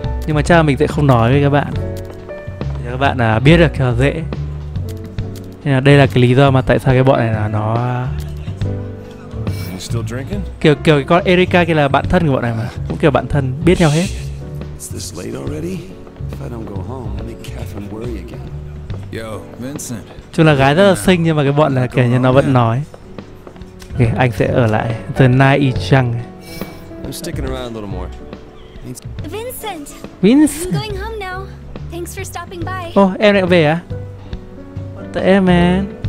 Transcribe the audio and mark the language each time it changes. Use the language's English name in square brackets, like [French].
[Vietnamese] Nhưng mà chắc là mình sẽ không nói với các bạn. Để các bạn biết được là dễ. Nên là đây là cái lý do mà tại sao cái bọn này là nó... [English] Still drinking? [Vietnamese] Kiểu cái con Erica kia là bạn thân của bọn này mà. Cũng kiểu bạn thân, biết nhau hết. [English] Is this late already? If I don't go home, I'll make Catherine worry again. Yo, Vincent. [Vietnamese] Chúng là gái rất là xinh nhưng mà cái bọn là kiểu như nó vẫn nói. Ok, anh sẽ ở lại. [English] The night is young. I'm sticking around a little more. Vincent! Vincent! I'm going home now. Thanks for stopping by. [Vietnamese] Oh, em lại về à? [English] What the hell, man?